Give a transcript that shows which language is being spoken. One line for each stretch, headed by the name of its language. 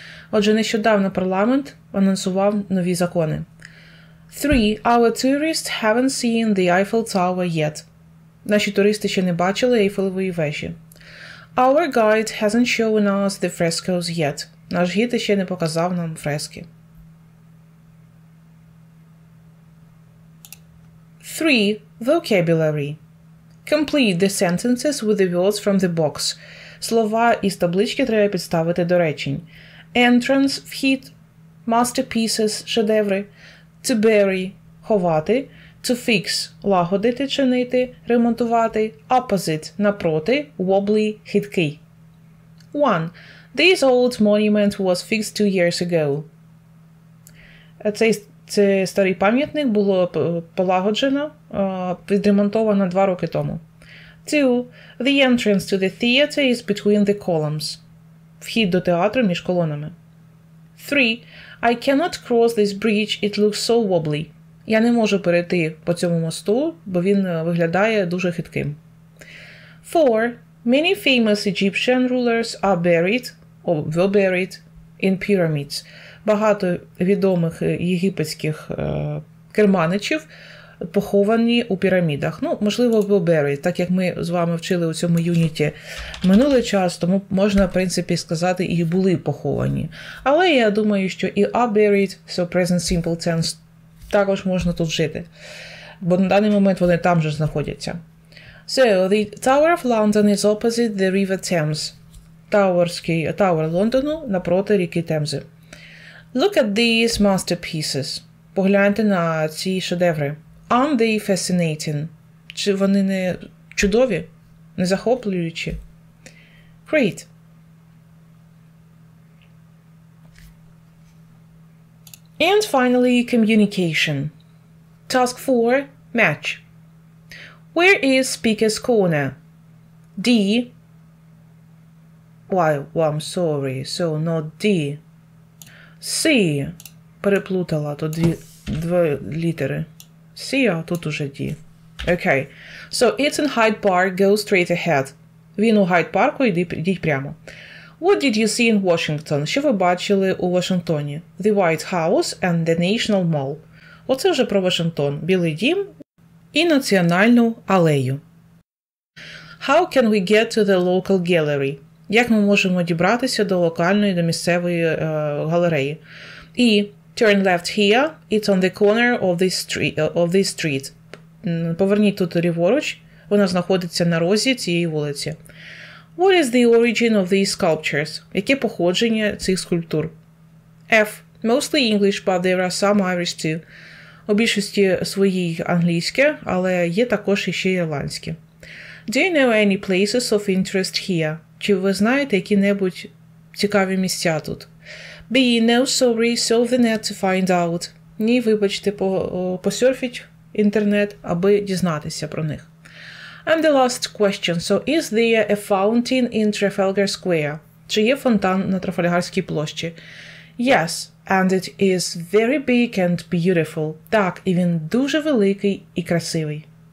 Ukrainian: Отже, нещодавно парламент анонсував нові закони. 3.
English: Our tourists haven't seen the Eiffel Tower yet.
Ukrainian: Наші туристи ще не бачили Ейфелевої вежі.
English: Our guide hasn't shown us the frescoes yet.
Ukrainian: Наш гід ще не показав нам фрески.
English: 3. Vocabulary. Complete the sentences with the words from the box.
Ukrainian: Слова із таблички треба підставити до речень. Entrance, вхід, masterpieces, шедеври, to bury, ховати, to fix, лагодити, чинити, ремонтувати, opposite, напроти, wobbly, хиткий. 1.
English: This old monument was fixed 2 years ago.
Ukrainian: Це старий пам'ятник було полагоджено, відремонтовано 2 роки тому. 2.
English: The entrance to the theater is between the columns.
Ukrainian: Вхід до театру між колонами. 3.
English: I cannot cross this bridge, it looks so wobbly.
Ukrainian: Я не можу перейти по цьому мосту, бо він виглядає дуже хитким.
English: 4. Many famous Egyptian rulers are buried or were buried in pyramids.
Ukrainian: Багато відомих єгипетських керманичів поховані у пірамідах. Ну, можливо,
English: were buried,
Ukrainian: так як ми з вами вчили у цьому юніті минулий час, тому можна, в принципі, сказати, і були поховані. Але я думаю, що і
English: are buried, so present simple tense,
Ukrainian: також можна тут жити. Бо на даний момент вони там же знаходяться.
English: So, the Tower of London is opposite the River Thames.
Ukrainian: Тауер Лондону напроти ріки Темзи.
English: Look at these masterpieces.
Ukrainian: Погляньте на ці шедеври.
English: Aren't they fascinating?
Ukrainian: Чи вони не чудові? Не захоплюючі?
English: Great. And finally, communication. Task 4. Match. Where is speaker's corner? D. I'm sorry. So, not D. C.
Ukrainian: Переплутала. Тут дві літери. C, а тут уже D.
English: Okay. So, it's in Hyde Park. Go straight ahead.
Ukrainian: Він у Hyde Park. Йдіть прямо.
English: What did you see in Washington?
Ukrainian: Що ви бачили у Вашингтоні?
English: The White House and the National Mall.
Ukrainian: Оце вже про Вашингтон. Білий дім і Національну алею.
English: How can we get to the local gallery?
Ukrainian: Як ми можемо дібратися до локальної, до місцевої галереї?
English: І turn left here, it's on the corner of this street.
Ukrainian: Поверніть тут ліворуч, вона знаходиться на розі цієї вулиці.
English: What is the origin of these sculptures?
Ukrainian: Яке походження цих скульптур? F.
English: Mostly English, but there are some Irish too.
Ukrainian: У більшості своїй англійське, але є також іще ірландське.
English: Do you know any places of interest here?
Ukrainian: Чи ви знаєте які-небудь цікаві місця тут? B.
English: No, sorry, surf the net to find out.
Ukrainian: Ні, вибачте, посерфіть інтернет, аби дізнатися про них.
English: And the last question. So, is there a fountain in Trafalgar Square?
Ukrainian: Чи є фонтан на Трафальгарській площі?
English: Yes, and it is very big and beautiful.
Ukrainian: Так, і він дуже великий і красивий.